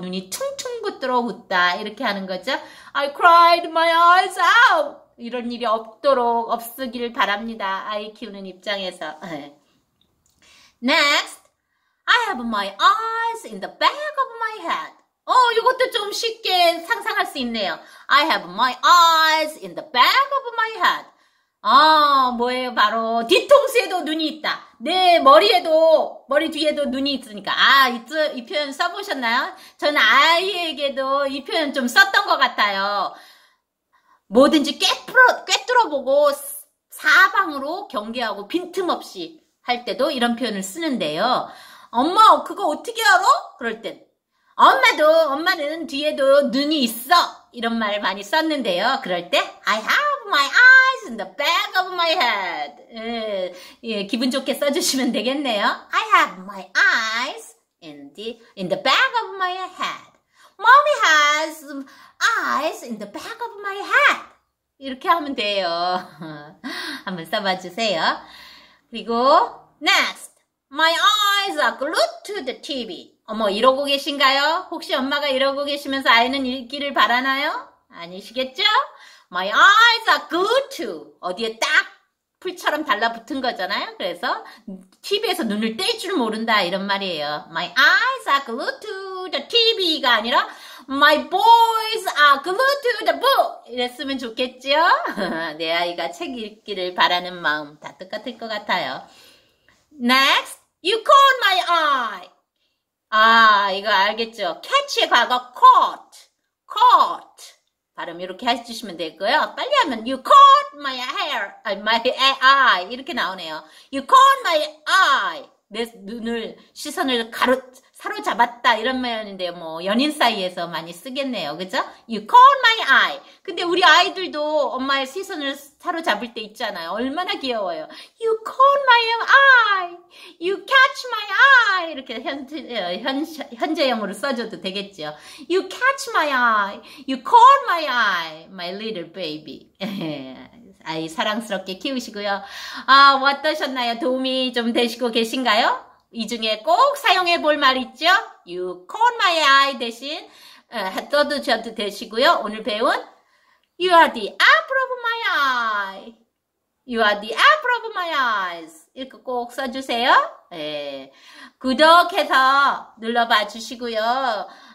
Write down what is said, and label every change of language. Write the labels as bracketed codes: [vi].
[ko] 눈이 퉁퉁 부들어 웃다. 이렇게 하는 거죠. [en] I cried my eyes out. [ko] 이런 일이 없도록 없으기를 바랍니다. 아이 키우는 입장에서. [en] Next, I have my eyes in the back of my head. [ko] 이것도 좀 쉽게 상상할 수 있네요. [en] I have my eyes in the back of my head. [ko] 뭐예요? 바로 뒤통수에도 눈이 있다. 내 머리 뒤에도 눈이 있으니까. 이 표현 써보셨나요? 저는 아이에게도 이 표현 좀 썼던 것 같아요. 뭐든지 꿰뚫어보고 사방으로 경계하고 빈틈없이 할 때도 이런 표현을 쓰는데요. 엄마, 그거 어떻게 알아? 그럴 땐 엄마는 뒤에도 눈이 있어. 이런 말 많이 썼는데요. 그럴 때 [en] I have my eyes in the back of my head. [ko] 예, 기분 좋게 써주시면 되겠네요. [en] I have my eyes in the back of my head. Mommy has eyes in the back of my head. [ko] 이렇게 하면 돼요. 한번 써봐 주세요. [en] 그리고 next, my eyes are glued to the TV. [ko] 어머, 이러고 계신가요? 혹시 엄마가 이러고 계시면서 아이는 읽기를 바라나요? 아니시겠죠? [en] My eyes are glued to [ko] 어디에 딱 풀처럼 달라붙은 거잖아요. 그래서 TV에서 눈을 뗄줄 모른다 이런 말이에요. [en] My eyes are glued to the TV가 아니라 My boys are glued to the book. [ko] 이랬으면 좋겠지요? 내 아이가 책 읽기를 바라는 마음 다 똑같을 것 같아요. [en] Next, you caught my eye. [ko] 이거 알겠죠? [en] Catch의 과거 caught. Caught. [ko] 발음 이렇게 해주시면 되고요. 빨리 하면 [en] you caught my hair. My eye. [ko] 이렇게 나오네요. [en] You caught my eye. [ko] 내 눈을 시선을 사로잡았다 이런 말인데요. 뭐 연인 사이에서 많이 쓰겠네요. 그죠? [en] You caught my eye. [ko] 근데 우리 아이들도 엄마의 시선을 사로잡을 때 있잖아요. 얼마나 귀여워요. [en] You caught my eye. You catch my eye. [ko] 이렇게 현재형으로 써줘도 되겠죠. [en] You catch my eye. You caught my eye. My little baby. [ko] 아이 사랑스럽게 키우시고요. 어떠셨나요? 도움이 좀 되시고 계신가요? 이 중에 꼭 사용해 볼말 있죠? [en] You caught my eye [ko] 대신 떠도 저도 되시고요. 오늘 배운 [en] You are the apple of my eye. You are the apple of my eyes. [ko] 이렇게 꼭 써주세요. 예. 구독해서 눌러봐 주시고요.